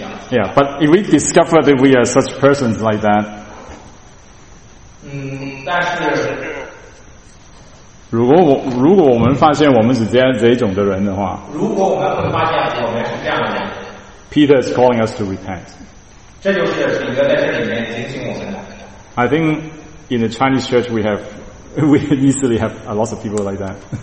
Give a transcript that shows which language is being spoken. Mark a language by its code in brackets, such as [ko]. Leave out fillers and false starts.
[en] Yeah, but if we discover that we are such persons like that, [zh] 但是如果我们发现我们是这种的人的话，如果我们会发现我们是这样的人 [en] ，Peter is calling us to repent. [zh] 这就是彼得在这里面警醒我们的。 [en] I think. In the Chinese church, we easily have a lot of people like that.